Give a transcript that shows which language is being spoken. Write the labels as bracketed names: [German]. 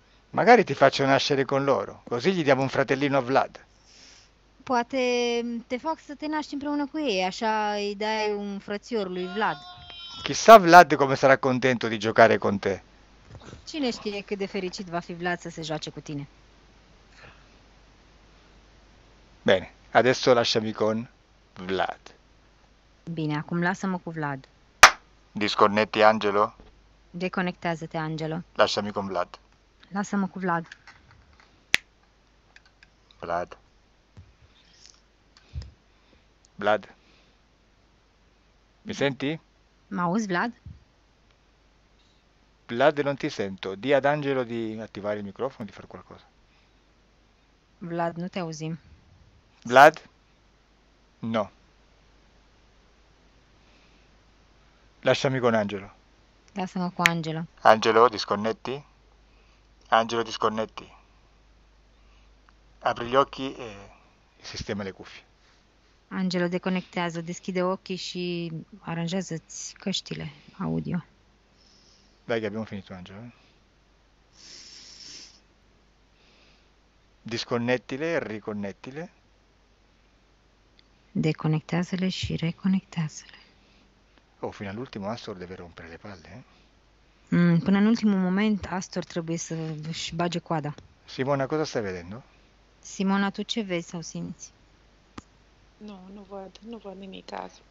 [Italian] Magari ti faccio nascere con loro, così gli diamo un fratellino a Vlad. [Romanian] Poate te fac să te naști împreună cu ei, așa îi dai un frățior lui Vlad. [Italian] Chissà Vlad come sarà contento di giocare con te. [Romanian] Cine știe cât de fericit va fi Vlad să se joace cu tine? [Italian] Bene, adesso lasciami con Vlad. [Romanian] Bine, acum lasă-mă cu Vlad. [Italian] Disconnetti Angelo? [Romanian] Deconectează-te, Angelo. [Italian] Lasciami con Vlad. [Romanian] Lasă-mă cu Vlad. Vlad. [Italian] Vlad. Mi senti? [Romanian] M'auzi, Vlad? [Italian] Vlad, non ti sento. Di ad Angelo di attivare il microfono, di fare qualcosa. [Romanian] Vlad, non te auzim. [Italian] Vlad? No. Lasciami con Angelo. Lasciamo qua Angelo. Angelo, disconnetti? Angelo, disconnetti. Apri gli occhi e sistema le cuffie. [Romanian] Angelo deconectează, deschide ochii și aranjează-ți căștile audio. [Italian] Dai che abbiamo finito, Angelo. Disconnettile, riconnettile. [Romanian] Deconectează-le și reconectează-le. [Italian] Oh, fino all'ultimo Astor deve rompere le [Romanian] Până in ultimo momento Astor trebuie să-și bage coada. [Italian] Simona, cosa stai vedendo? [Romanian] Simona, tu ce vezi sau simți? [Italian] No, non vado nemmeno a caso.